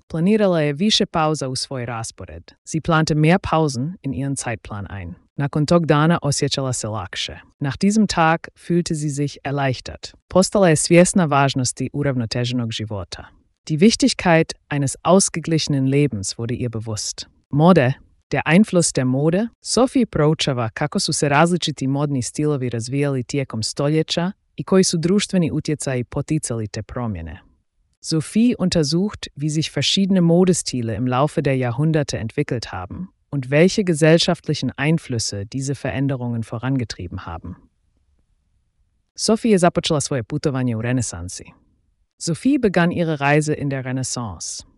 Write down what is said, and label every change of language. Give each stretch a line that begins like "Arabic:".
Croatian: Planirala je više pauza u svoj raspored.
German: Sie plante mehr Pausen in ihren Zeitplan ein.
Croatian: Nakon tog dana osjećala se lakše.
German: Nach diesem Tag fühlte sie sich erleichtert.
Croatian: Postala je svjesna važnosti uravnoteženog života.
German: Die Wichtigkeit eines ausgeglichenen Lebens wurde ihr bewusst. Mode, der Einfluss der Mode,
Croatian: Sophie proučava kako su se različiti modni stilovi razvijali tijekom stoljeća i koji su društveni utjecaji poticali te promjene.
German: Sophie untersucht, wie sich verschiedene Modestile im Laufe der Jahrhunderte entwickelt haben und welche gesellschaftlichen Einflüsse diese Veränderungen vorangetrieben haben.
Croatian: Sophie započela svoje putovanje u renesansi.
German: Sophie begann ihre Reise in der Renaissance.